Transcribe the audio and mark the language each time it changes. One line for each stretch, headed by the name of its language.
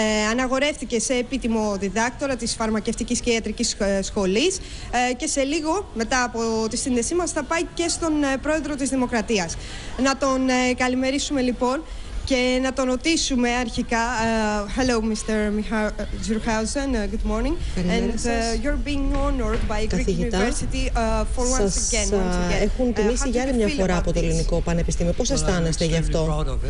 Greek: Αναγορεύτηκε σε επίτιμο διδάκτορα της Φαρμακευτικής και Ιατρικής Σχολής και σε λίγο μετά από τη σύνδεσή μας θα πάει και στον Πρόεδρο της Δημοκρατίας. Να τον καλημερίσουμε λοιπόν και να τον ρωτήσουμε αρχικά.
English: Hello Mr. Zurhausen, good morning. And you're being honored by Greek University for once again.
Greek: Έχουν τιμήσει για άλλη μια φορά από το Ελληνικό Πανεπιστήμιο. Πώς αισθάνεστε γι' αυτό?